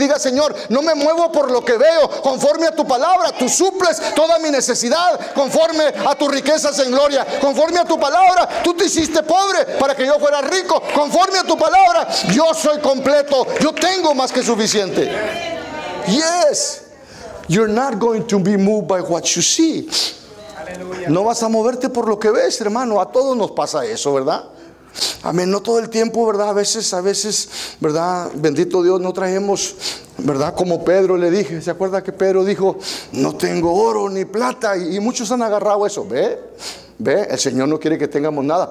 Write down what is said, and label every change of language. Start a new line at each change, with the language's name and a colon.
Spanish: Y diga, Señor, no me muevo por lo que veo. Conforme a tu palabra, tú suples toda mi necesidad. Conforme a tus riquezas en gloria. Conforme a tu palabra, tú te hiciste pobre para que yo fuera rico. Conforme a tu palabra, yo soy completo, yo tengo más que suficiente.
English: Yes, you're not going to be moved by what you see.
Spanish: No vas a moverte por lo que ves, hermano. A todos nos pasa eso, ¿verdad? Amén. No todo el tiempo, ¿verdad? A veces, ¿verdad? Bendito Dios, no traemos, ¿verdad? Como Pedro le dije, ¿se acuerda que Pedro dijo, no tengo oro ni plata? Y muchos han agarrado eso, ¿ve? El Señor no quiere que tengamos nada.